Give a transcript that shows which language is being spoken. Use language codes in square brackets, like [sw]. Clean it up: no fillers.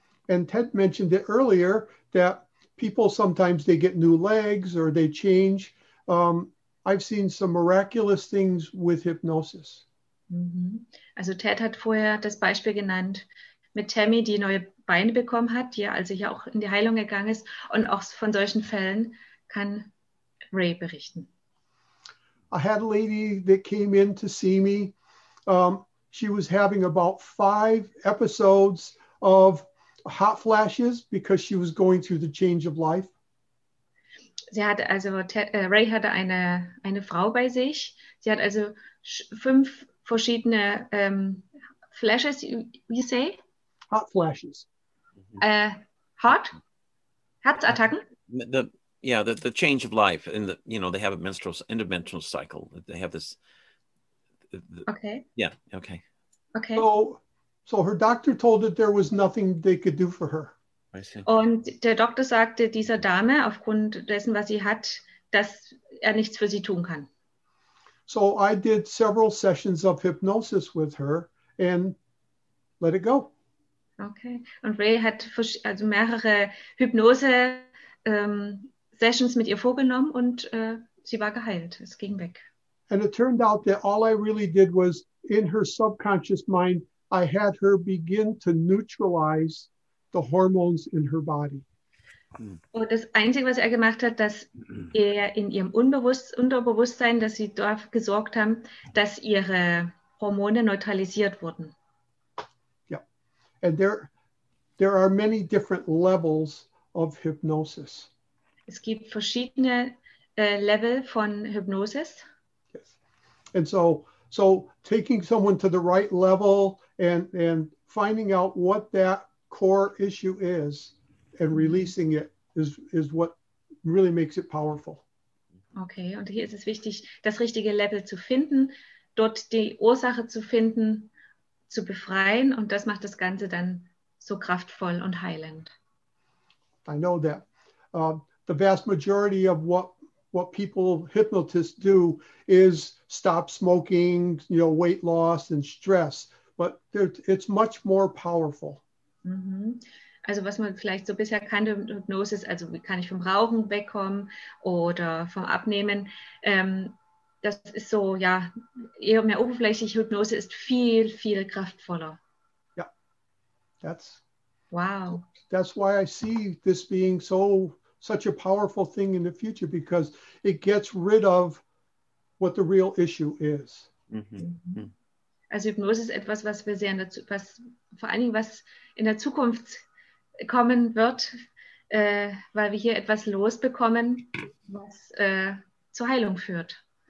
[en] And Ted mentioned it earlier that people sometimes they get new legs or they change. I've seen some miraculous things with hypnosis. [de] Also Ted hat vorher das Beispiel genannt mit Tammy, die neue Beine bekommen hat, die ja also hier auch in die Heilung gegangen ist. Und auch von solchen Fällen kann Ray berichten. [en] I had a lady that came in to see me. She was having about 5 episodes of hot flashes because she was going through the change of life. [de] Sie hatte also, Ray hatte eine Frau bei sich. Sie hat also 5 verschiedene [en] flashes, you say? Hot flashes. [de] Hot? Herzattacken? [en] The change of life. And the, you know, they have a menstrual, endometrial cycle. They have this. Okay. So her doctor told her there was nothing they could do for her. I see. [de] Und der Doktor sagte dieser Dame aufgrund dessen, was sie hat, dass er nichts für sie tun kann. [en] So I did several sessions of hypnosis with her and let it go. Okay. [de] Und Ray hat also mehrere Hypnose Sessions mit ihr vorgenommen und sie war geheilt. Es ging weg. [en] And it turned out that all I really did was in her subconscious mind, I had her begin to neutralize the hormones in her body. [de] Und das Einzige, was er gemacht hat, dass er in ihrem Unterbewusstsein, dass sie dort gesorgt haben, dass ihre Hormone neutralisiert wurden. [en] Yeah. And there are many different levels of hypnosis. [de] Es gibt verschiedene Level von Hypnosis. [en] Yes. And so taking someone to the right level and finding out what that core issue is and releasing it is what really makes it powerful. [de] Okay, und hier ist es wichtig, das richtige Level zu finden, dort die Ursache zu finden, zu befreien, und das macht das Ganze dann so kraftvoll und heilend. [en] I know that. The vast majority of what people, hypnotists do is stop smoking, you know, weight loss and stress, but it's much more powerful. [de] Also was man vielleicht so bisher kannte, Hypnose ist, also wie kann ich vom Rauchen wegkommen oder vom Abnehmen, das ist so, ja, eher mehr oberflächlich. Hypnose ist viel, viel kraftvoller. [en] Ja, that's... Wow. That's why I see this being so, such a powerful thing in the future, because it gets rid of what the real issue is. [de] Also Hypnose ist etwas, was wir sehen, was vor allen Dingen was in der Zukunft kommen wird, weil wir hier etwas losbekommen, was zur Heilung führt.